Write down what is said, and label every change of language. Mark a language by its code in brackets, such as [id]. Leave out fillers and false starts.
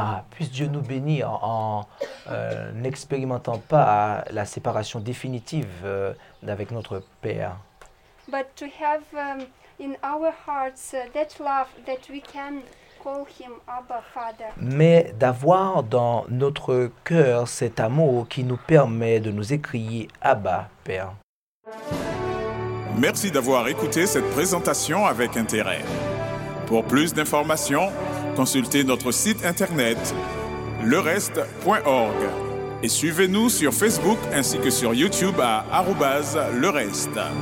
[fr] Puisse Dieu nous bénir en n'expérimentant pas la séparation définitive avec notre Père. [en] But to have in our hearts that love that we can call Him Abba Father. [fr] Mais d'avoir dans notre cœur cet amour qui nous permet de nous écrier Abba Père. Merci d'avoir écouté cette présentation avec intérêt. Pour plus d'informations, consultez notre site internet lereste.org et suivez-nous sur Facebook ainsi que sur YouTube à @lereste.